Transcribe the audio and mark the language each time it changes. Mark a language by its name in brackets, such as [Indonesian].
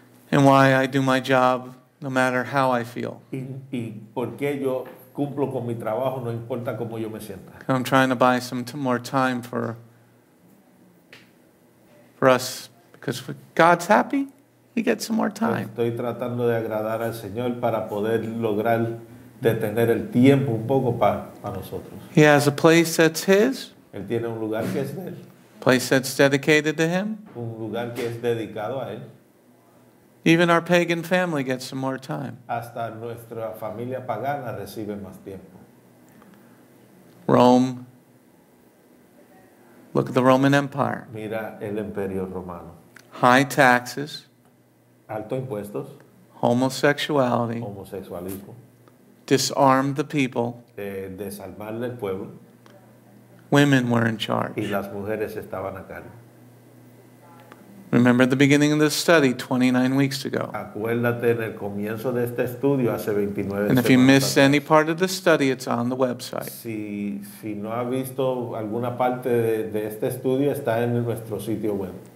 [English] And why I do my job no matter how I feel. [Spanish] ¿Y por qué yo cumplo con mi trabajo no importa cómo yo me sienta? [English] I'm trying to buy some more time for us, because if God's happy, we get some more time. [Spanish] Estoy tratando de agradar al Señor para poder lograr detener el tiempo un poco para nosotros. [English] He has a place that's His. [Spanish] Él tiene un lugar que es de él. [English] Place that's dedicated to Him. [Spanish] Un lugar que es dedicado a él. [English] Even our pagan family gets some more time. [Spanish] Hasta nuestra familia pagana recibe más tiempo. [English] Rome. Look at the Roman Empire. [Spanish] Mira el Imperio Romano. [English] High taxes. [Spanish] Alto impuestos. [English] Homosexuality. [Spanish] Homosexualismo. [English] Disarmed the people. [Spanish] Desarmar el pueblo. [English] Women were in charge. [Spanish] Y las mujeres estaban a cargo. [English] Remember at the beginning of this study, 29 weeks ago. [Spanish] Acuérdate en el comienzo de este estudio hace 29 semanas. [English] And if you missed any part of the study, it's on the website. [Spanish] Si no ha visto alguna parte de este estudio, está en nuestro sitio web.